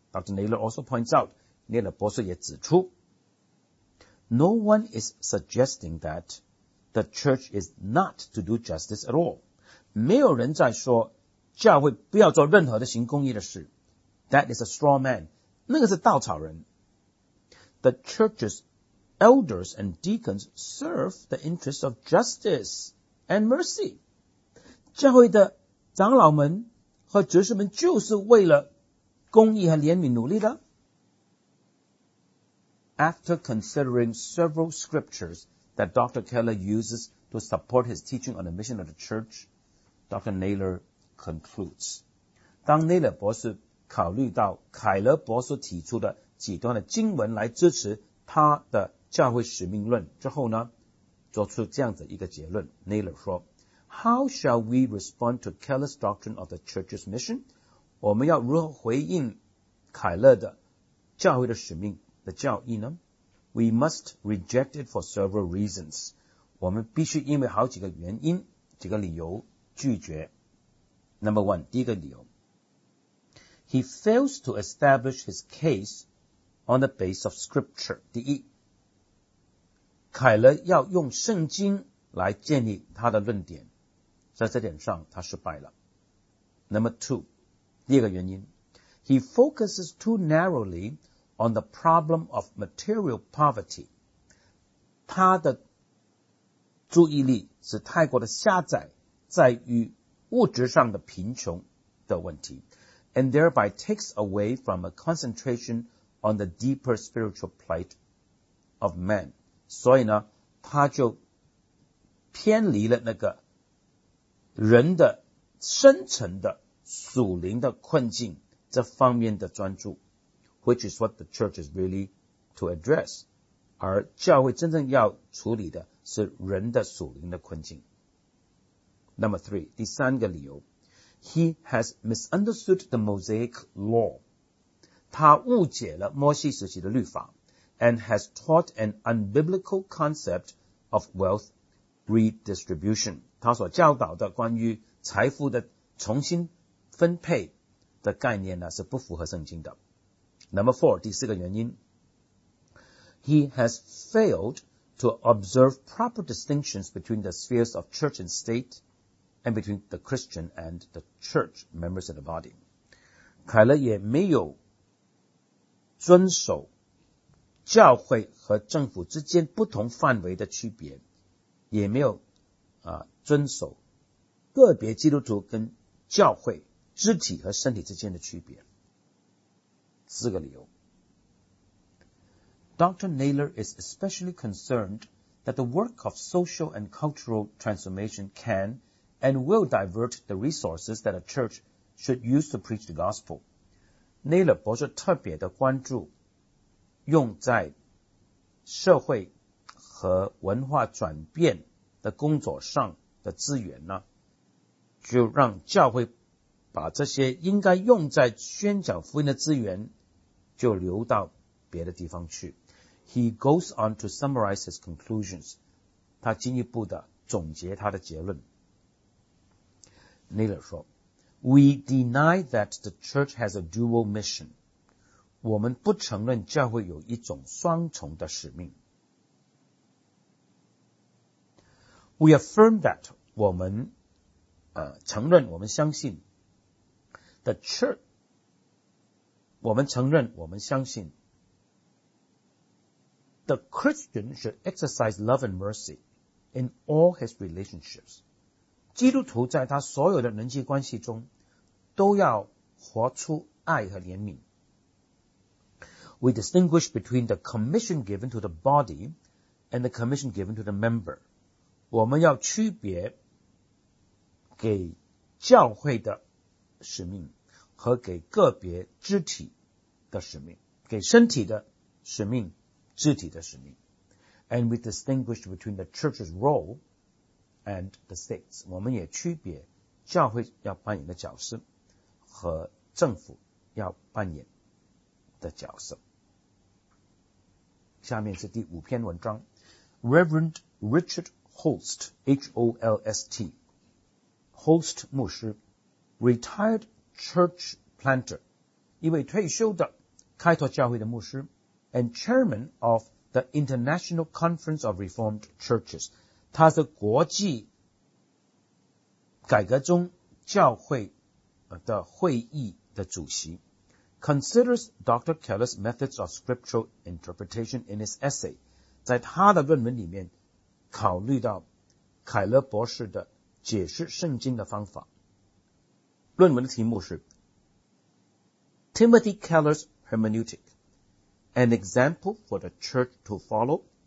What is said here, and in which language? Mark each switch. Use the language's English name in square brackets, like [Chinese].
[English] Dr. Naylor also points out, [Chinese] Naylor 博士也指出 [English] No one is suggesting that the church is not to do justice at all. [Chinese] 没有人在说教会不要做任何的行公义的事。 [English] That is a straw man. [Chinese] 那个是稻草人。 [English] The church's elders and deacons serve the interests of justice and mercy. [Chinese] 教会的长老们和执事们就是为了公义和怜悯努力的。 [English] After considering several scriptures that Dr. Keller uses to support his teaching on the mission of the church, Dr. Naylor concludes. [Chinese] 当 Naylor 博士考虑到凯勒博士提出的几段的经文来支持他的教会使命论之后呢，做出这样的一个结论。 Naylor 说 [English] ,How shall we respond to Keller's doctrine of the church's mission? [Chinese] 我们要如何回应凯勒的教会的使命的教义呢？ [English] We must reject it for several reasons. [Chinese] 我们必须因为好几个原因几个理由拒绝。 [English] Number one, [Chinese] 第一个理由。 [English] He fails to establish his case on the base of scripture. [Chinese] 第一，凯勒要用圣经来建立他的论点，在这点上他失败了。 [English] Number two, [Chinese] 第二个原因。 [English] He focuses too narrowly on the problem of material poverty. [Chinese] 他的注意力是太过的狭窄在于物质上的贫穷的问题。 [English] And thereby takes away from a concentration on the deeper spiritual plight of man. [Chinese] 所以呢，他就偏离了那个人的深层的属灵的困境这方面的专注， [English] which is what the church is really to address. [Chinese] 而教会真正要处理的是人的属灵的困境。 [English] Number three, [Chinese] 第三个理由。 [English] He has misunderstood the Mosaic law. [Chinese] 他误解了摩西时期的律法 [English] and has taught an unbiblical concept of wealth redistribution. [Chinese] 他所教导的关于财富的重新分配的概念呢是不符合圣经的。 [English] Number four, [Chinese] 第四个原因。 [English] He has failed to observe proper distinctions between the spheres of church and state. And between the Christian and the church members of the body. [Chinese] 凯勒也没有遵守教会和政府之间不同范围的区别，也没有遵守个别基督徒跟教会肢体和身体之间的区别。四个理由。 [English] Dr. Naylor is especially concerned that the work of social and cultural transformation canand will divert the resources that a church should use to preach the gospel. [Chinese] Naylor 博士特别的关注用在社会和文化转变的工作上的资源呢，就让教会把这些应该用在宣讲福音的资源就流到别的地方去。 [English] He goes on to summarize his conclusions. [Chinese] 他进一步的总结他的结论。 Naylor 说 [English] We deny that the church has a dual mission. [Chinese] 我们不承认教会有一种双重的使命。 [English] We affirm that [Chinese] 我们承认我们相信 [English] the church 我们承认我们相信 the Christian should exercise love and mercy in all his relationships. [Chinese] 基督徒在他所有的人际关系中都要活出爱和怜悯。 [English] We distinguish between the commission given to the body and the commission given to the member. [Chinese] 我们要区别给教会的使命和给个别肢体的使命，给身体的使命，肢体的使命。 [English] And we distinguish between the church's role and the states. [Chinese] 我们也区别教会要扮演的角色和政府要扮演的角色。下面是第五篇文章。 [English] Reverend Richard Holst, H-O-L-S-T, Holst 牧师 ,retired church planter, [Chinese] 一位退休的开拓教会的牧师 [English] ,and chairman of the International Conference of Reformed Churches, [Chinese] 他是国际改革中教会的会议的主席。 [English] considers Dr. Keller's methods of scriptural interpretation in his essay. [Chinese] 在他的论文里面考虑到凯勒博士的解释圣经的方法。论文的题目是 [English] Timothy Keller's Hermeneutic, An Example for the Church to Follow。